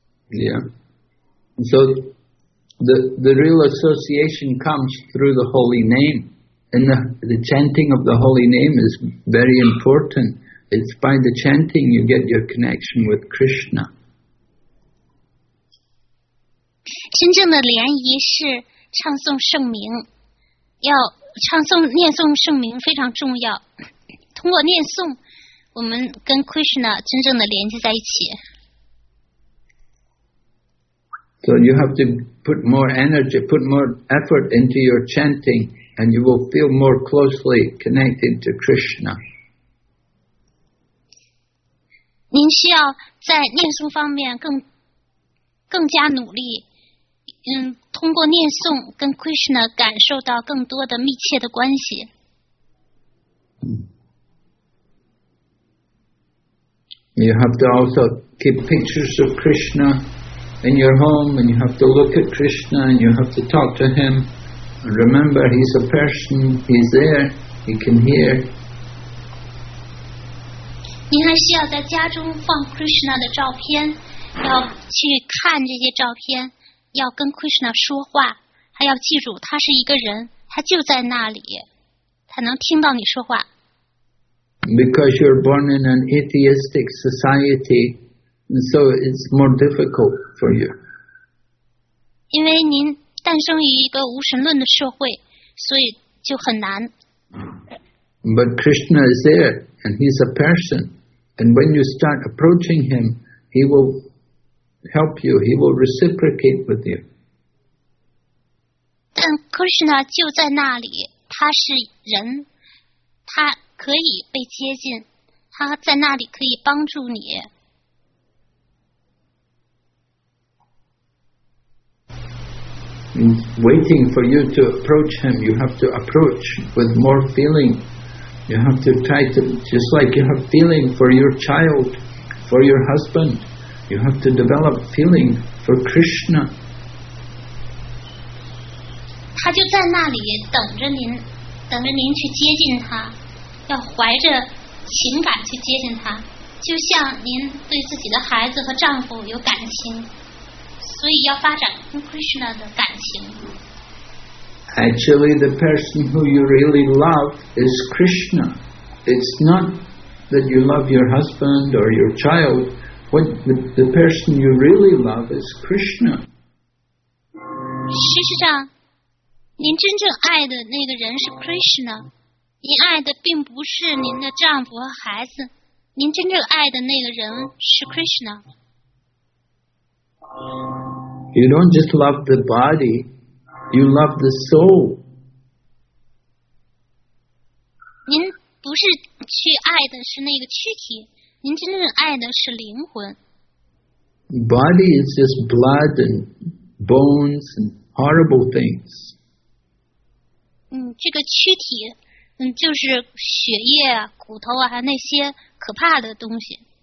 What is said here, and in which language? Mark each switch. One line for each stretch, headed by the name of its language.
English: Yeah. So the real association comes through the holy name. And the chanting of the holy name is very important. It's by the chanting you get your connection with Krishna.
Chinese: 真正的联谊是唱诵圣名，要唱诵念诵圣名非常重要。通过念诵，我们跟 Krishna 真正的连接在一起。
English: So you have to put more energy, put more effort into your chanting, and you will feel more closely connected to Krishna.
Chinese: 您需要在念诵方面更加努力。通过念诵跟 Krishna 感受到更多的密切的关系。
English: You have to also keep pictures of Krishna in your home, and you have to look at Krishna, and you have to talk to him. Remember, he's a person, he's there, he can hear.
Chinese: 你还需要在家中放 Krishna 的照片，要去看这些照片。要跟 Krishna 说话，还要记住他是一个人，他就在那里，他能听到你说话。
English: Because you're born in an atheistic society, so it's more difficult for you.
Chinese: 因为您诞生于一个无神论的社会，所以就很难。
English: But Krishna is there, and he's a person. And when you start approaching him, he will. Help you. He will reciprocate with you.
Chinese: 但 Krishna 就在那里，他是人，他可以被接近，他在那里可以帮助你。
English: Waiting for you to approach him, you have to approach with more feeling. You have to try to, just like you have feeling for your child, for your husband. You have to develop feeling for Krishna.
Chinese: 他就在那里等着您，等着您去接近他，要怀着情感去接近他，就像您对自己的孩子和丈夫有感情，所以要发展跟 Krishna 的感情。
English: Actually, the person who you really love is Krishna. It's not that you love your husband or your child. What the person you really love is Krishna.
Chinese: 事实上，您真正爱的那个人是 Krishna. 您爱的并不是您的丈夫和孩子，您真正爱的那个人是 Krishna.
English: You don't just love the body, you love the soul.
Chinese: 您不是去爱的是那个躯体。您真正爱的是灵魂。
English: Body is just blood and bones and horrible things.
Chinese: 这个躯体就是血液啊骨头啊还有那些可怕的东西。